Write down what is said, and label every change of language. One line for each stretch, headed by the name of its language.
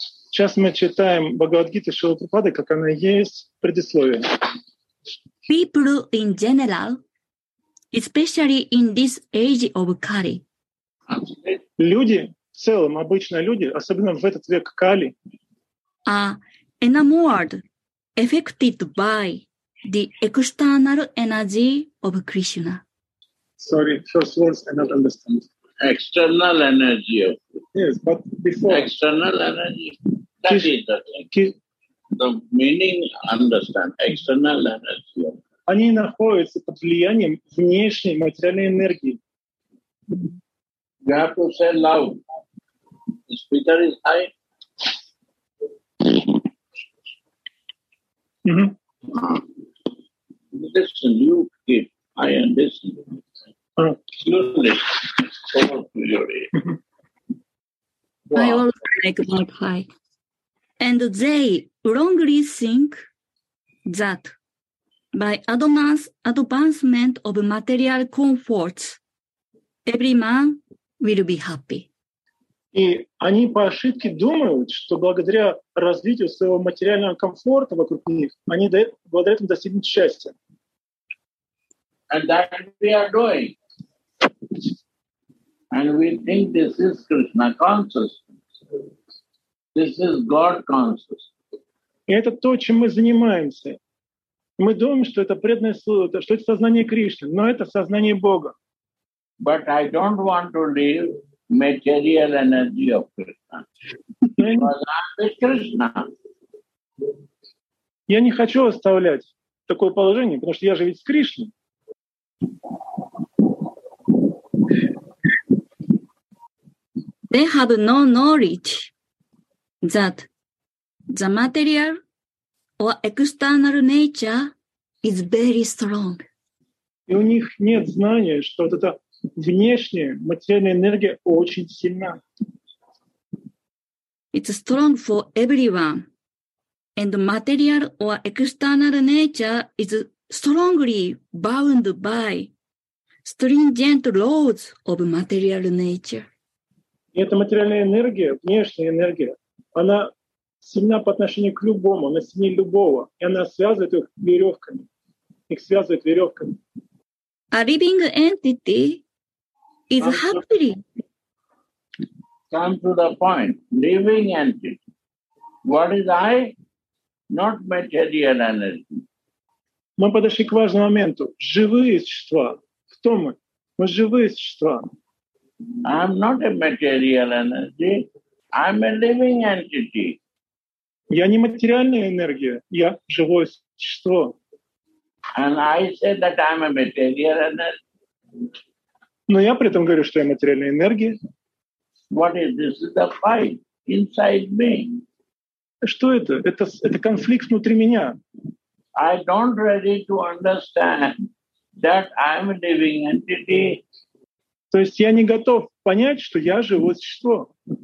Russian: Сейчас мы читаем Бхагавад-гиту Шрилы Прабхупады, как она есть, предисловие.
English: People in general, especially in this age of Kali.
Russian: Люди, в целом, обычные люди, особенно в этот век Кали,
English: are enamored, affected by the external energy of Krishna. Sorry, first words, I not understand. External energy. Yes, but before. External energy. That is the thing. The meaning, understand, external energy.
Russian: Они находятся под влиянием внешней материальной энергии.
English: You have to say loud. The speaker is high. Mm-hmm. Listen, you keep high and listen. You listen. Over to your ear. I always make one high. And they wrongly think that by advancement of material comforts, every man will be happy.
Russian: И они по ошибке думают, что благодаря развитию своего материального комфорта вокруг них, они благодаря этому достигнут счастья.
English: And that we are doing. And we think this is Krishna consciousness. This is God conscious.
Russian: Это то, чем мы занимаемся. Мы думаем, что это преданное служение, что это сознание Кришны, но это сознание Бога.
English: But I don't want to leave material energy of Krishna. Because I'm with Krishna.
Russian: Я не хочу оставлять такое положение, потому что я же ведь с Кришной.
English: They have no knowledge that the material or external nature is very strong.
Russian: И у них нет знания, что вот эта внешняя материальная энергия очень сильна.
English: It's strong for everyone. And the material or external nature is strongly bound by stringent laws of material nature.
Russian: И эта материальная энергия, внешняя энергия, она сильна по отношению к любому, она сильнее любого. И она связывает их веревками. Их связывает веревками.
English: A living entity is happily. Come to the point. Living entity. What is I? Not material energy.
Russian: Мы подошли к важному моменту. Живые существа. Кто мы? Мы живые существа.
English: I'm not a material energy. I'm a living entity.
Russian: Я не материальная энергия. Я живое существо.
English: And I said that I'm a material energy.
Russian: Но я при этом говорю, что я материальная энергия.
English: What is this? It's a fight inside me.
Russian: Что это? Это конфликт внутри меня.
English: I don't ready to understand that I'm a living entity.
Russian: То есть я не готов понять, что я живое существо.